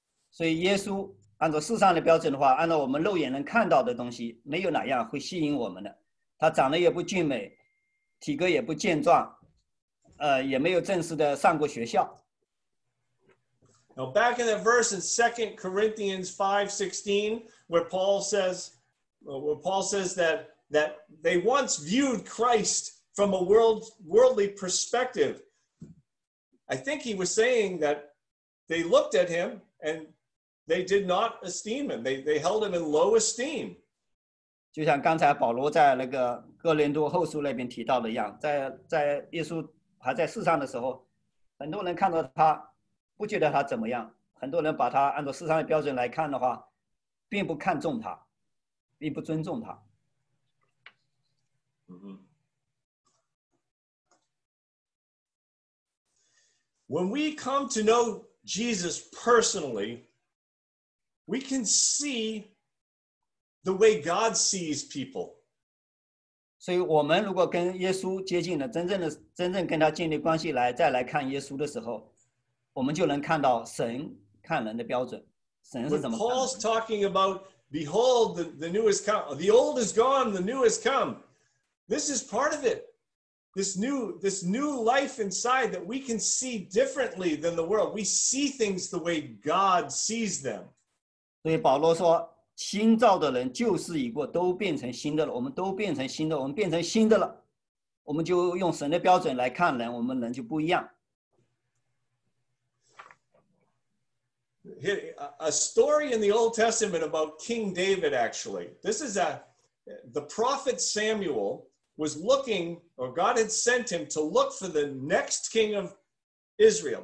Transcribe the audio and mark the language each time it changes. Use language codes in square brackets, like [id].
[zh] 所以耶稣按照世上的标准的话，按照我们肉眼能看到的东西，没有哪样会吸引我们的。他长得也不俊美，体格也不健壮，也没有正式的上过学校。 [en] Now back in that verse in 2 Corinthians 5:16, where Paul says that they once viewed Christ from a worldly perspective. I think he was saying that they looked at him and they did not esteem him. They held him in low esteem. [zh] 就像刚才保罗在那个哥林多后书那边提到的一样，在耶稣还在世上的时候，很多人看到他。不觉得他怎么样，很多人把他按照世上的标准来看的话，并不看重他，并不尊重他。 [en] When we come to know Jesus personally, we can see the way God sees people. [zh] 所以我们如果跟耶稣接近了，真正跟他建立关系来，再来看耶稣的时候，我们就能看到神看人的标准，神是怎么看的。 [en] When Paul's talking about, behold, the new has come, the old is gone, the new has come. This is part of it. This new life inside that we can see differently than the world. We see things the way God sees them. [zh] 所以保罗说，新造的人旧事已过，都变成新的了。我们都变成新的，我们变成新的了。我们就用神的标准来看人，我们人就不一样。 [en] A story in the Old Testament about King David, actually. This is the prophet Samuel was looking, or God had sent him to look for the next king of Israel.